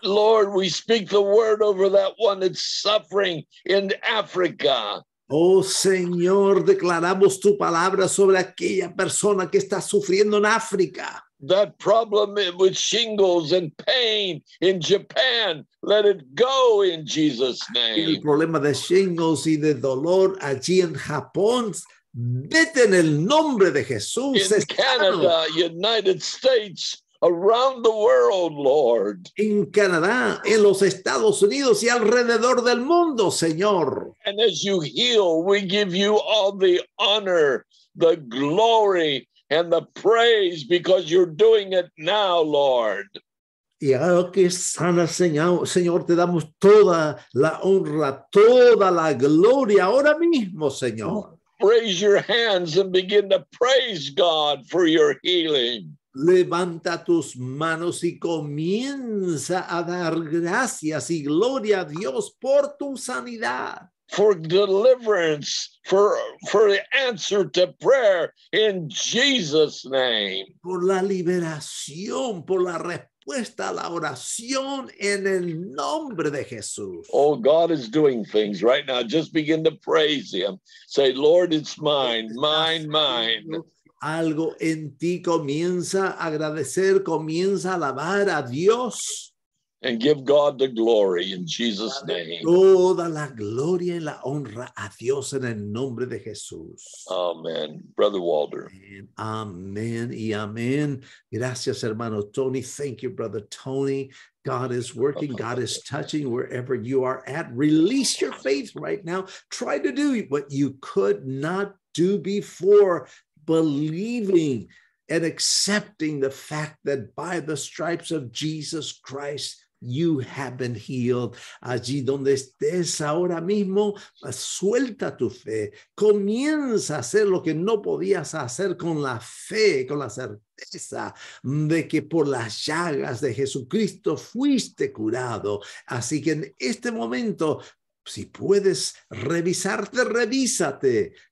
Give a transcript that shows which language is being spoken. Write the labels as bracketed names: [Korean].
[English] Lord, we speak the word over that one that's suffering in Africa. [Spanish] Oh Señor, declaramos tu palabra sobre aquella persona que está sufriendo en África. [English] That problem with shingles and pain in Japan, let it go in Jesus' name. [Spanish] El problema de shingles y de dolor allí en Japón, vete en el nombre de Jesús. [English] In Canada, United States, around the world, Lord. [Spanish] En Canadá, en los Estados Unidos y alrededor del mundo, Señor. [English] And as you heal, we give you all the honor, the glory, and the praise, because you're doing it now, Lord. [Spanish] Y ahora que sana, Señor, te damos toda la honra, toda la gloria ahora mismo, Señor. [English] Raise your hands and begin to praise God for your healing. [Spanish] Levanta tus manos y comienza a dar gracias y gloria a Dios por tu sanidad. [English] For deliverance, for the answer to prayer in Jesus' name. [Spanish] Por la liberación, por la respuesta a la oración en el nombre de Jesús. [English] Oh, God is doing things right now. Just begin to praise him. Say, Lord, it's mine, mine, mine. [Spanish] Algo en ti comienza a agradecer, comienza a alabar a Dios. [English] And give God the glory in Jesus' name. [Spanish] Toda la gloria y la honra a Dios en el nombre de Jesús. [English] Amen, Brother Walter. [Spanish] Amen y amen. Gracias, hermano Tony. [English] Thank you, Brother Tony. God is working. God is touching wherever you are at. Release your faith right now. Try to do what you could not do before, believing and accepting the fact that by the stripes of Jesus Christ, you have been healed. [Spanish] Allí donde estés ahora mismo, suelta tu fe. Comienza a hacer lo que no podías hacer con la fe, con la certeza de que por las llagas de Jesucristo fuiste curado. Así que en este momento, si puedes revisarte, revísate.